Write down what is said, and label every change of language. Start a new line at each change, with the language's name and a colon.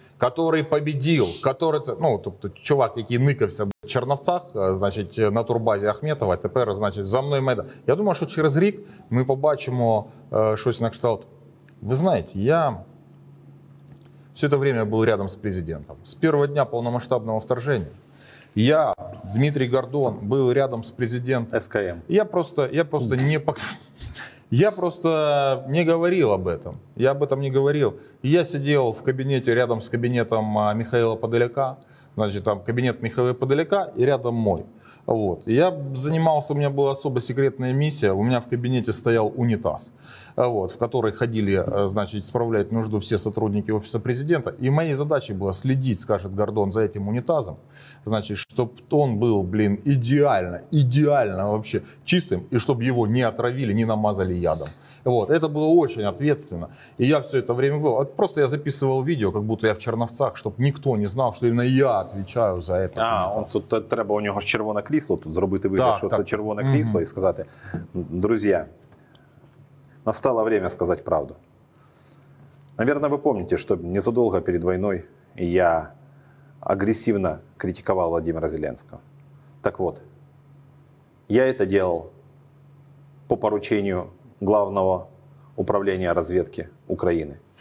Russian: Который победил, который,
Ukrainian: ну, тобто, чувак, який никався в Черновцах, значить, на турбазі Ахметова, тепер, значить, за мною Майдан. Я думаю, що через рік ми побачимо щось на кшталт. Ви знаєте, я все це время був рядом з президентом. З першого дня повномасштабного вторження я, Дмитрий Гордон, був рядом з президентом. СКМ. Я просто не показав.
Russian: Я просто не говорил об этом. Я об этом не говорил. Я сидел в кабинете рядом с кабинетом Михаила Подоляка. Значит, там кабинет Михаила Подоляка и рядом мой. Вот. Я занимался, у меня была особо секретная миссия. У меня в кабинете стоял унитаз, вот, в который ходили, значит, справлять нужду все сотрудники офиса президента. И моей задачей было следить, скажет Гордон, за этим унитазом. Значит, чтоб он был, блин, идеально вообще чистым. И чтобы его не отравили, не намазали ядом. Вот. Это было очень ответственно. И я все это время был. Просто я записывал видео, как будто я в Черновцах, чтобы никто не знал, что именно я отвечаю за это.
Ukrainian: А, он тут треба у него червоне крісло, тут зробити вигляд, так, що так. Це червоне крісло, і сказати:
Russian: друзья, настало время сказать правду. Наверное, вы помните, что незадолго перед войной я агрессивно критиковал Владимира Зеленского. Так вот, я это делал по поручению Главного управления разведки Украины.